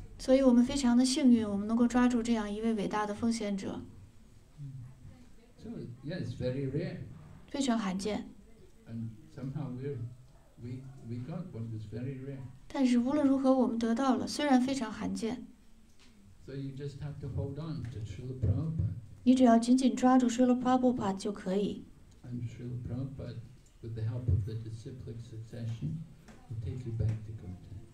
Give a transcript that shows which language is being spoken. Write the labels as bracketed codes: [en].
[zh] 所以我们非常的幸运，我们能够抓住这样一位伟大的奉献者。 [en] So yes, very rare. [zh] 非常罕见。 [en] And somehow we got what was very rare. [zh] 但是无论如何，我们得到了，虽然非常罕见。 [en] So you just have to hold on to Srila Prabhupada. [zh] 你只要紧紧抓住 Srila Prabhupada 就可以。 [en] And Srila Prabhupada, with the help of the disciplic succession, will take you back to Godhead.